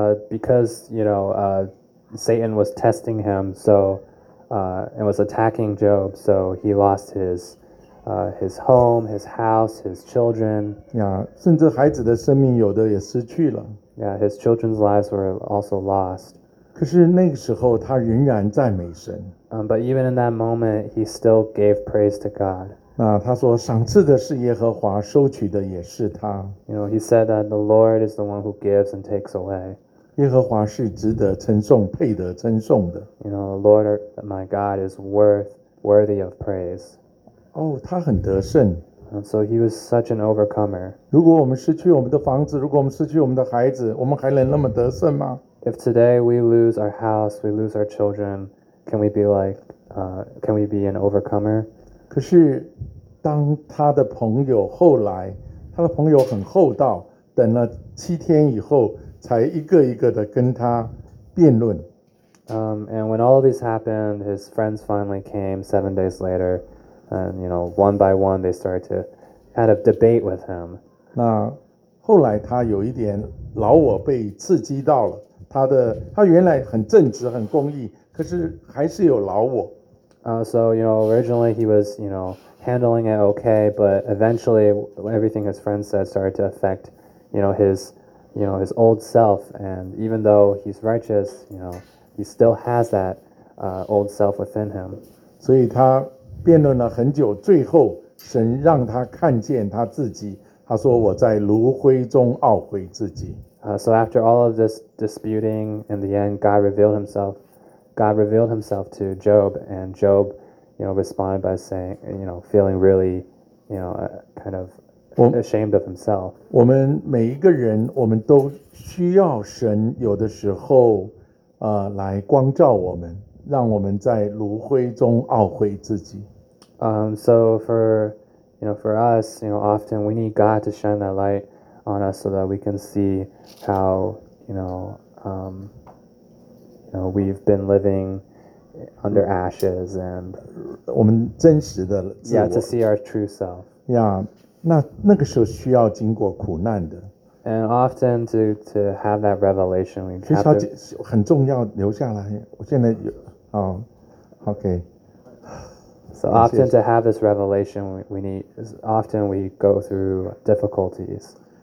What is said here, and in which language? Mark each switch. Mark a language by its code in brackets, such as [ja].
[en] Because, you know, Satan was testing him, so... and was attacking Job, so he lost his home, his house, his children. Yeah, [zh] 甚至孩子的生命有的也失去了。 [en] Yeah, his children's lives were also lost. [zh] 可是那个时候他仍然赞美神。 [en] But even in that moment, he still gave praise to God. [zh] 那他说赏赐的是耶和华，收取的也是他。 [en] You know, he said that the Lord is the one who gives and takes away. [zh] 耶和华是值得称颂，配得称颂的。 [en] You know, Lord, my God is worthy of praise. [zh] 哦，他很得胜。 [en] So he was such an overcomer. [zh] 如果我们失去我们的房子，如果我们失去我们的孩子，我们还能那么得胜吗？ [en] If today we lose our house, we lose our children, can we be like, can we be an overcomer? [zh] 可是当他的朋友后来，他的朋友很厚道，等了七天以后才一个一个的跟他辩论。 [en] And when all of this happened, his friends finally came 7 days later, and you know, one by one, they started to kind of debate with him. [zh] 那后来他有一点老我被刺激到了，他原来很正直很公义，可是还是有老我。 [en] So you know, originally he was you know handling it okay, but eventually everything his friends said started to affect you know his old self, and even though he's righteous, you know, he still has that old self within him. [zh] 所以他辩论了很久，最后神让他看见他自己，他说我在炉灰中懊悔自己。 [en] So after all of this disputing, in the end, God revealed himself to Job, and Job, you know, responded by saying, you know, feeling really, you know, kind of,ashamed of himself. [zh] 我们每一个人，我们都需要神有的时候，来光照我们，让我们在炉灰中懊悔自己。 [en] So for you know, for us, you know, often we need God to shine that light on us so that we can see how you know we've been living under ashes and [zh] 我们真实的自我。 [en] Yeah, to see our true self. Yeah. [zh] 那个时候需要经过苦难的。 [en] And often to have that revelation, we have to [zh] 很重要留下来。我现在有啊、， [en] OK。 So often to have this revelation, we need. Often we go through difficulties.